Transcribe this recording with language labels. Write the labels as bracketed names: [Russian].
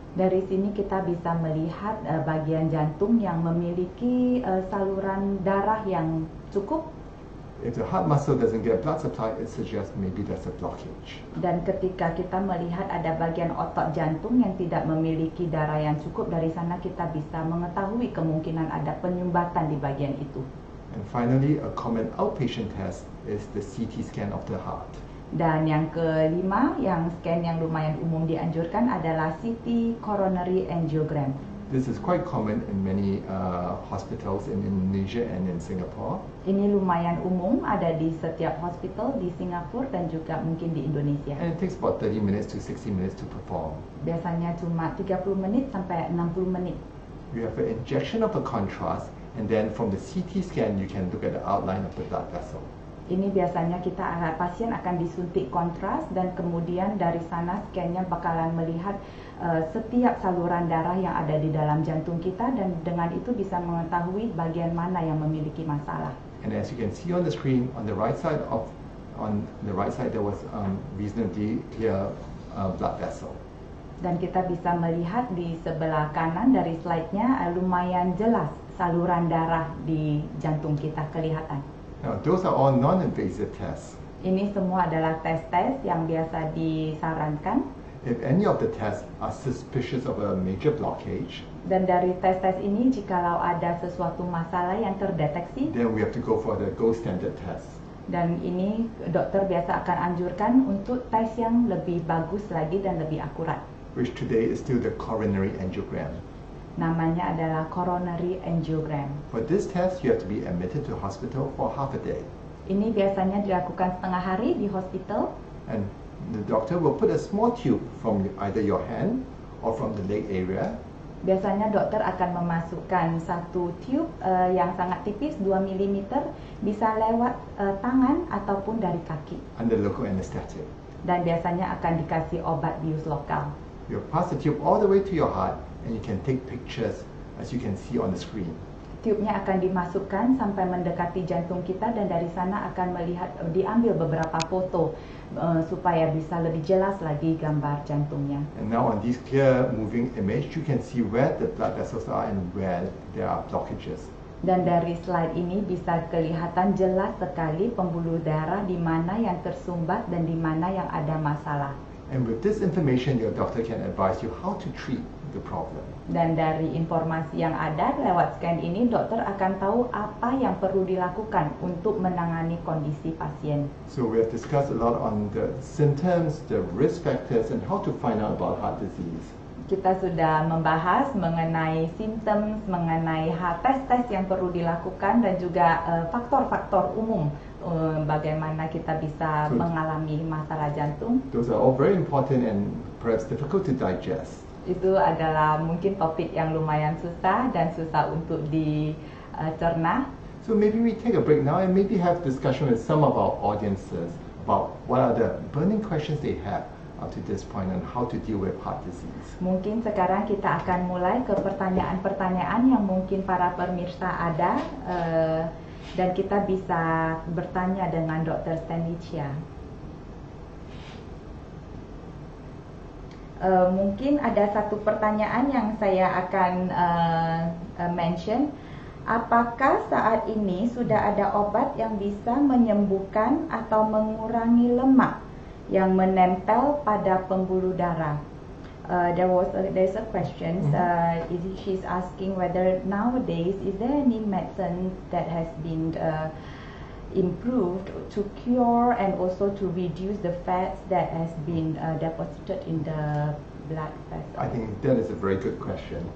[Indonesian] Dari sini kita bisa melihat bagian jantung yang memiliki saluran darah yang cukup. [English] If the heart muscle doesn't get blood supply, it suggests maybe there's a blockage. [Indonesian] Dan ketika kita melihat ada bagian otot jantung yang tidak memiliki darah yang cukup, dari sana kita bisa mengetahui kemungkinan ada penyumbatan di bagian itu. [English] And finally, a common outpatient test is the CT scan of the heart. [Indonesian] Dan yang kelima, yang scan yang lumayan umum dianjurkan adalah CT coronary angiogram. [English] this is quite common in many hospitals in Indonesia and in Singapore. [Indonesian] Ini lumayan umum, ada di setiap hospital di Singapura dan juga mungkin di Indonesia. [English] And it takes about 30 minutes to 60 minutes to perform. [Indonesian] Biasanya cuma 30 menit sampai 60 menit. [English] You have an injection of a contrast, and then from the CT scan, you can look at the outline of the blood vessel. [Indonesian] Ini biasanya kita pasien akan disuntik kontras dan kemudian dari sana scan-nya bakalan melihat setiap saluran darah yang ada di dalam jantung kita dan dengan itu bisa mengetahui bagian mana yang memiliki masalah. [English] And as you can see on the screen, on the right side there was reasonably clear blood vessel. [Indonesian] Dan kita bisa melihat di sebelah kanan dari slide-nya lumayan jelas saluran darah di jantung kita kelihatan. [English] Now, those are all non-invasive tests. [Indonesian] Ini semua adalah tes-tes yang biasa disarankan. [English] If any of the tests are suspicious of a major blockage, [Indonesian] dan dari tes-tes ini jikalau ada sesuatu masalah yang terdeteksi, [English] then we have to go for the gold standard test. [Indonesian] Dan ini dokter biasa akan anjurkan untuk tes yang lebih bagus lagi dan lebih akurat. [English] Which today is still the coronary angiogram. [Indonesian] Namanya adalah coronary angiogram. [English] For this test, you have to be admitted to hospital for half a day. [Indonesian] Ini biasanya dilakukan setengah hari di hospital. [English] And the doctor will put a small tube from either your hand or from the leg area. [Indonesian] Biasanya dokter akan memasukkan satu tube yang sangat tipis, 2 mm, bisa lewat tangan ataupun dari kaki. [English] Under local anesthetic. [Indonesian] Dan biasanya akan dikasih obat bius lokal. [English] You pass the tube all the way to your heart, and you can take pictures as you can see on the screen. [Indonesian] Tube-nya akan dimasukkan sampai mendekati jantung kita dan dari sana akan melihat diambil beberapa foto supaya bisa lebih jelas lagi gambar jantungnya. [English] And now on this clear moving image, you can see where the blood vessels are and where there are blockages. [Indonesian] Dan dari slide ini bisa kelihatan jelas sekali pembuluh darah di mana yang tersumbat dan di mana yang ada masalah. [English] And with this information, your doctor can advise you how to treat the problem. [Indonesian] Dan dari informasi yang ada lewat scan ini, dokter akan tahu apa yang perlu dilakukan untuk menangani kondisi pasien. [English] So we have discussed a lot on the symptoms, the risk factors, and how to find out about heart disease. [Indonesian] Kita sudah membahas mengenai symptoms, mengenai tes-tes yang perlu dilakukan, dan juga faktor-faktor umum. Bagaimana kita bisa mengalami masalah jantung. [English] Those are all very important and perhaps difficult to digest. [Indonesian] Itu adalah mungkin topik yang lumayan susah dan susah untuk dicerna. [English] So maybe we take a break now and maybe have discussion with some of our audiences about what are the burning questions they have up to this point and how to deal with heart disease. [Indonesian] Mungkin sekarang kita akan mulai ke pertanyaan-pertanyaan yang mungkin para pemirsa ada. Dan kita bisa bertanya dengan Dr. Stanicia. Mungkin ada satu pertanyaan yang saya akan mention. Apakah saat ini sudah ada obat yang bisa menyembuhkan atau mengurangi lemak yang menempel pada pembuluh darah? [English] There's a question. She's asking whether nowadays is there any medicine that has been improved to cure and also to reduce the fats that has been deposited in the blood vessel. I think that is a very good question.